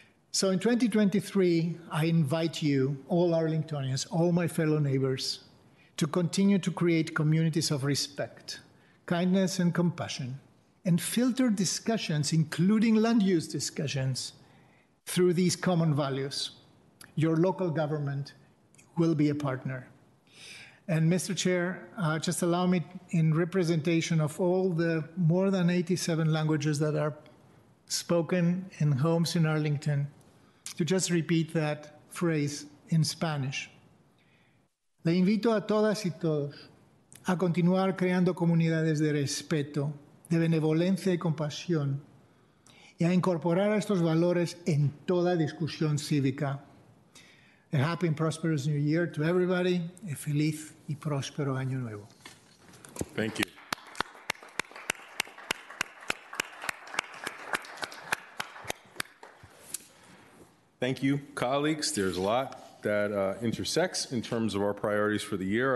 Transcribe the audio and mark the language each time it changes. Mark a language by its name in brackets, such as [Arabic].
[English] So in 2023, I invite you, all Arlingtonians, all my fellow neighbors, to continue to create communities of respect, kindness, and compassion, and filter discussions, including land use discussions, through these common values. Your local government will be a partner. And Mr. Chair, just allow me, in representation of all the more than 87 languages that are spoken in homes in Arlington, to just repeat that phrase in Spanish. [Spanish] Le invito a todas y todos a continuar creando comunidades de respeto, de benevolencia y compasión, y a incorporar estos valores en toda discusión cívica. [English] A happy and prosperous new year to everybody. [Spanish] A feliz y próspero año nuevo. [English] Thank you. Thank you, colleagues. There's a lot that intersects in terms of our priorities for the year.